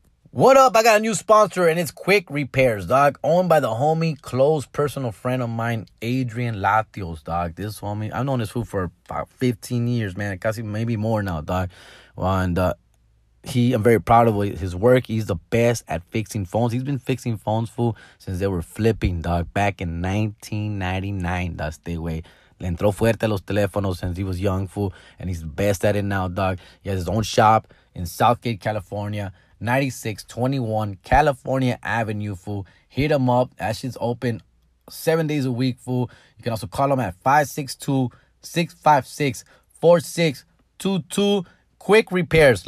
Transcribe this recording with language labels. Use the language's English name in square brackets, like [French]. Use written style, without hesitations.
[English] What up? I got a new sponsor, and it's Quick Repairs, dog. Owned by the homie, close personal friend of mine, Adrian Latios, dog. This homie, I've known this fool for about 15 years, man. [Spanish] Casi [English] maybe more now, dog. And I'm very proud of his work. He's the best at fixing phones. He's been fixing phones, fool, since they were flipping, dog, back in 1999. That's the way. [Spanish] Le entró fuerte a los teléfonos [English] since he was young, fool. And he's the best at it now, dog. He has his own shop in Southgate, California. 9621 California Avenue, fool. Hit him up. That shit's open 7 days a week, fool. You can also call him at 562-656-4622. Quick Repairs.